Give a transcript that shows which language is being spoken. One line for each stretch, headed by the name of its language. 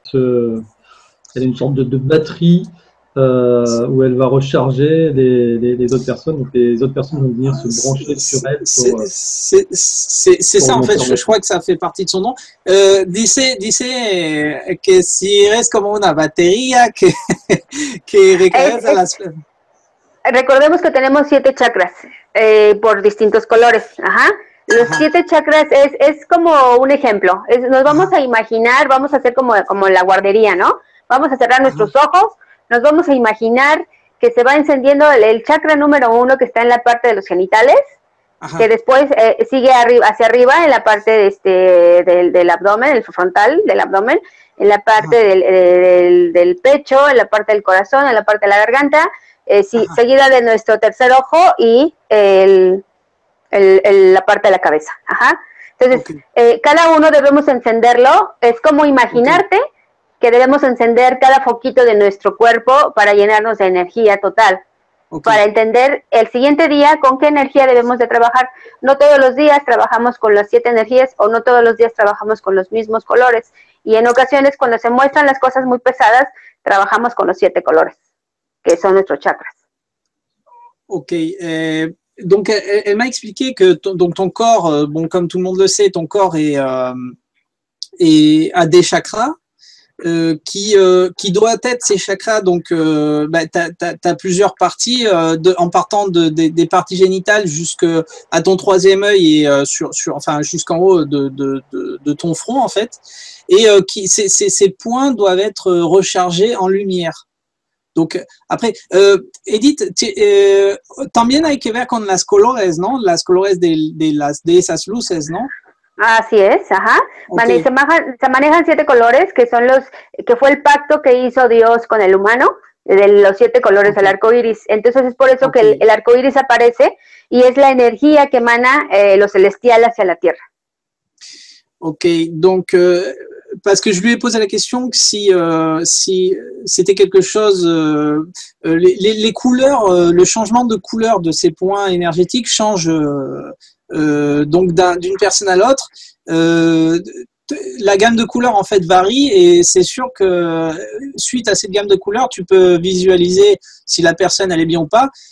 French: Elle a une sorte de batterie où elle va recharger les autres personnes, donc les autres personnes vont venir se brancher sur elle. C'est ça, en fait, je crois que ça fait partie de son nom.
Spanish: Dice que si reste comme une batterie qui recarga la semaine. Recordemos que tenemos 7 chakras por distintos colores. Ajá. Los 7 chakras es como un ejemplo. Nos vamos a imaginar, vamos a hacer como la guardería, ¿no? Vamos a cerrar nuestros ojos. Nos vamos a imaginar que se va encendiendo el chakra número 1, que está en la parte de los genitales. Ajá. Que después sigue hacia arriba en la parte del abdomen, el frontal del abdomen, en la parte del pecho, en la parte del corazón, en la parte de la garganta, seguida de nuestro tercer ojo y la parte de la cabeza. Ajá. Entonces, okay. Cada uno debemos encenderlo, es como imaginarte, okay, que debemos encender cada foquito de nuestro cuerpo para llenarnos de energía total, okay, para entender el siguiente día con qué energía debemos de trabajar. No todos los días trabajamos con las 7 energías o no todos los días trabajamos con los mismos colores. Y en ocasiones, cuando se muestran las cosas muy pesadas, trabajamos con los 7 colores, que son nuestros chakras. Ok.
French: Donc, elle m'a expliqué que ton corps, bon, comme tout le monde le sait, ton corps a des chakras. Qui doit être ces chakras, donc t'as plusieurs parties en partant des parties génitales jusque à ton troisième œil et enfin jusqu'en haut de ton front, en fait, et ces points doivent être rechargés en lumière. Donc après,
Spanish: Edith, también hay que ver con las colores, ¿no? Las colores de esas luces, ¿no? Así es, ajá. Okay. Se manejan 7 colores, que son que fue el pacto que hizo Dios con el humano, de los 7 colores del arco iris. Entonces es por eso que el arco iris aparece y es la energía que emana lo celestial hacia la tierra.
French: Ok, donc, parce que je lui ai posé la question que si c'était quelque chose. Les couleurs, le changement de couleur de ces points énergétiques change. Donc d'une personne à l'autre, la gamme de couleurs en fait varie, et c'est sûr que suite à cette gamme de couleurs, tu peux visualiser si la personne elle est bien ou pas.